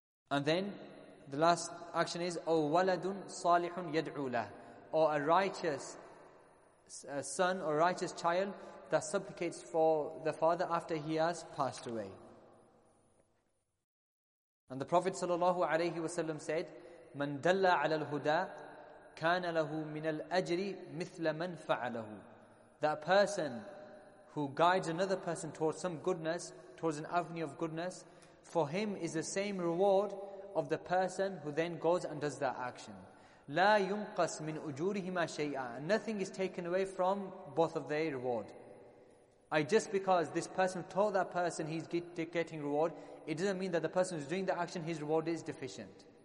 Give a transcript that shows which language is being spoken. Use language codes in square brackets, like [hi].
[en] And then the last action is, [ar] أَوْ وَلَدٌ صَالِحٌ يَدْعُو لَهُ, [en] or a righteous son or righteous child that supplicates for the father after he has passed away. And the Prophet sallallahu alaihi wasallam said, [ar] مَنْ دَلَّ عَلَى الْهُدَىٰ كَانَ لَهُ مِنَ الْأَجْرِ مِثْلَ مَنْ فَعَلَهُ. [en] That person who guides another person towards some goodness, towards an avenue of goodness, for him is the same reward of the person who then goes and does that action. [ar] لَا يُنْقَسْ مِنْ أُجُورِهِمَا شَيْئًا. [en] Nothing is taken away from both of their reward. Just because this person told that person he's getting reward, it doesn't mean that the person who's doing the action, his reward is deficient.